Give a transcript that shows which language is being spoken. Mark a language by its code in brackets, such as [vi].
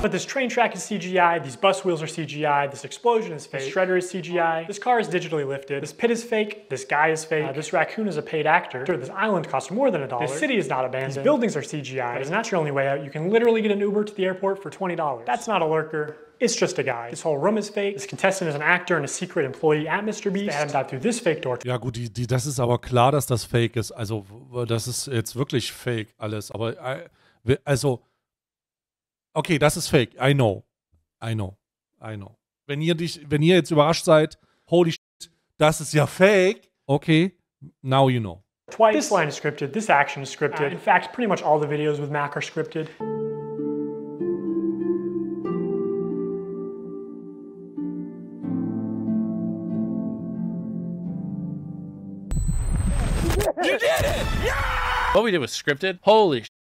[en] But this train track is CGI, these bus wheels are CGI, this explosion is fake, this shredder is CGI, this car is digitally lifted, this pit is fake, this guy is fake, this raccoon is a paid actor, sure, this island costs more than $1, this city is not abandoned, these buildings are CGI, but it's not your only way out, you can literally get an Uber to the airport for $20. That's not a lurker, it's just a guy. This whole room is fake, this contestant is an actor and a secret employee at Mr. Beast, they had him dive through this fake door. [de] Ja gut, das ist aber klar, dass das fake ist, also das ist jetzt wirklich fake alles, aber also... Okay, das ist fake. [en] I know. [de] Wenn ihr jetzt überrascht seid, [en] holy shit, [de] das ist ja fake. [en] Okay, now you know. Twice. This line is scripted. This action is scripted. In fact, pretty much all the videos with Mac are scripted. You did it! Yeah! What we did was scripted. Holy shit.